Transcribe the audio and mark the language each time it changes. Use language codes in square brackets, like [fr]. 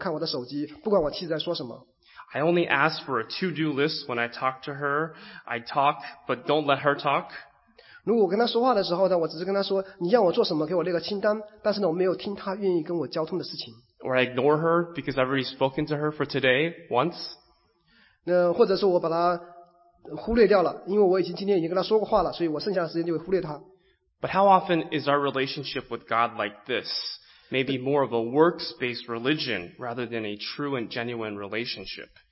[zh] 在婚姻生活里面也是这样，如果我只是在我跟妻子沟通的时候，我只是把我要说的话说完了，然后的话呢，我看我的手机，不管我妻子在说什么。 [en] I only ask for a to-do list when I talk to her. I talk, but don't let her talk. [zh] 如果我跟她说话的时候呢，我只是跟她说你要我做什么，给我列个清单，但是呢，我没有听她愿意跟我交通的事情。 [en] Or I ignore her because I've already spoken to her for today once. [zh] 或者是我把她忽略掉了，因为我已经今天已经跟她说过话了，所以我剩下的时间就会忽略她。 [en] But how often is our relationship with God like this? Maybe more of a works-based religion rather than a true and genuine relationship.